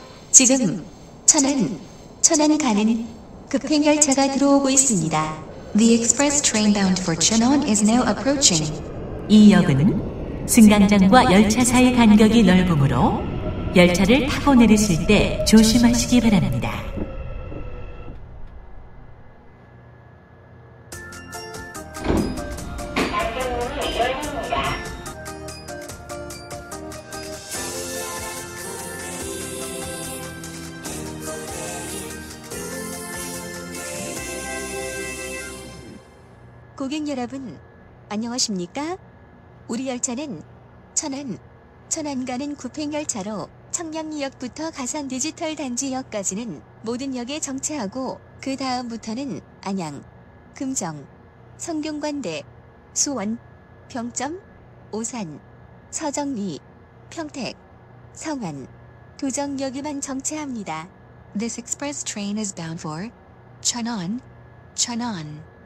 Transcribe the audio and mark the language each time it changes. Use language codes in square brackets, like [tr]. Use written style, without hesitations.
[ko] 지금 천안 가는 급행열차가 들어오고 있습니다. [en] The express train bound for Chunan is now approaching. [ko] 이 역은 승강장과 열차 사이 간격이 넓으므로 열차를 타고 내리실 때 조심하시기 바랍니다. 고객 여러분, 안녕하십니까? 우리 열차는 천안 가는 급행열차로 청량리역부터 가산 디지털 단지역까지는 모든 역에 정차하고 그 다음부터는 안양, 금정, 성균관대, 수원, 병점, 오산, 서정리, 평택, 성안, 도정역에만 정차합니다. [en] This express train is bound for Chunan, Chunan.